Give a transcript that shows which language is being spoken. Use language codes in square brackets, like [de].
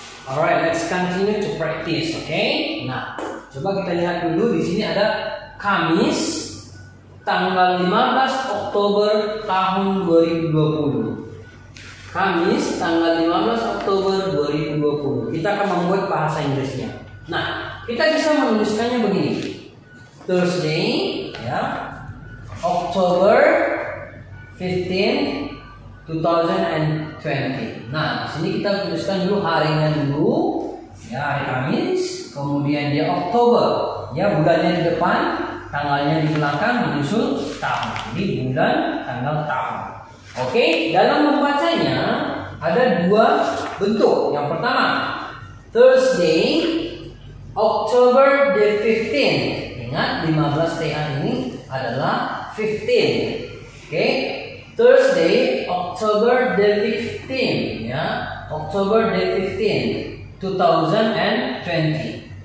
[en] Alright, let's continue to practice, okay? [id] Nah, coba kita lihat dulu di sini ada Kamis, tanggal 15 Oktober tahun 2020. Kamis, tanggal 15 Oktober 2020. Kita akan membuat bahasa Inggrisnya. Nah, kita bisa menuliskannya begini. [en] Thursday, ya, October 15, 2020. [id] Nah, di sini kita tuliskan dulu harinya dulu, ya, hari Kamis, kemudian dia Oktober, ya, bulannya di depan, tanggalnya di belakang, menyusul tahun. Jadi bulan, tanggal, tahun. Oke, dalam membacanya ada dua bentuk. Yang pertama, [en] Thursday, October the 15. [id] Ingat 15 TA ini adalah 15. Oke. [en] Thursday, October the 15, ya, October the 15, 2020.